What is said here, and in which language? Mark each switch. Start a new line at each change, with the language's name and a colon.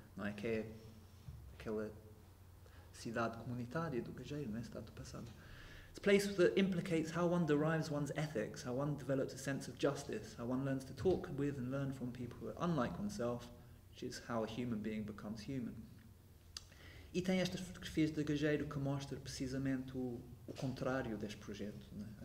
Portuguese: Não é, que é aquela cidade comunitária do Gageiro, não é? Cidade do passado.
English: "It's a place that implicates how one derives one's ethics, how one develops a sense of justice, how one learns to talk with and learn from people who are unlike oneself, which is how a human being becomes human."
Portuguese: E tem estas fotografias de Gageiro que mostram precisamente o contrário deste projeto, né?